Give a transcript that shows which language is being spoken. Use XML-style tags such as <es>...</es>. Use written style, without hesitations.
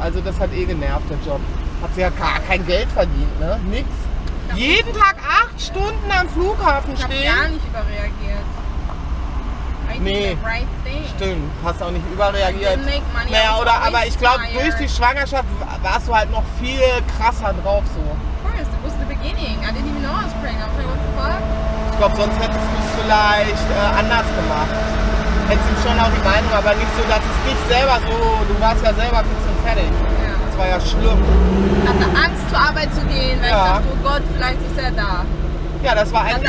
<de>Also das hat eh genervt, der Job. Hat sie ja gar kein Geld verdient, ne? Nix. Jeden Tag 8 Stunden am Flughafen stehen. Ich hab gar nicht überreagiert. Nee, stimmt. Hast auch nicht überreagiert. Naja, oder, aber ich glaube, durch die Schwangerschaft warst du halt noch viel krasser drauf so.</de> <en>Of course, it was the beginning. I didn't even know I was pregnant. I was like, what the fuck?</en> <de>Ich glaube, sonst hättest du es vielleicht anders gemacht. Hättest ihm schon auch die Meinung, aber nicht so, dass es dich selber so, du warst ja selber fix und fertig. Das war ja schlimm. Ich hatte Angst, zur Arbeit zu gehen, weil ich dachte, oh Gott, vielleicht ist er da. Ja, das war eigentlich</de>